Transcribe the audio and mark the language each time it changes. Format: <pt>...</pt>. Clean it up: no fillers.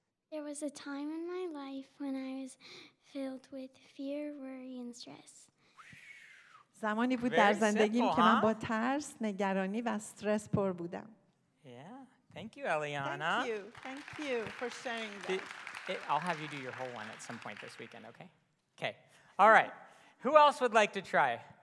<en>There was a time in my life when I was filled with fear, worry, and stress.</en> <fa>زمانی بود در زندگیم که من با ترس، نگرانی و استرس پر بودم.</fa> <en>Yeah, thank you, Eliana. Thank you for sharing that. I'll have you do your whole one at some point this weekend, okay? Okay. All right. Who else would like to try?</en>